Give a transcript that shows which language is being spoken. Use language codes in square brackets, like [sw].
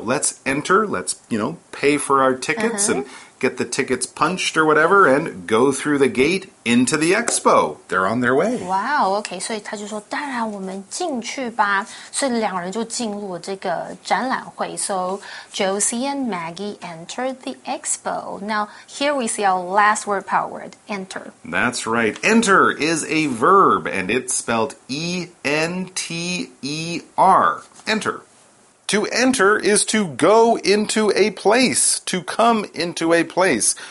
[en] Let's enter, let's, you know, pay for our tickets and... get the tickets punched or whatever and go through the gate into the expo. They're on their way. Wow, okay, [zh] 所以他就说当然我们进去吧。所以两人就进入这个展览会。 [en] So, Josie and Maggie enter the expo. Now, here we see our last word power word, enter. That's right. Enter is a verb and it's spelled E-N-T-E-R. Enter. To enter is to go into a place, to come into a place.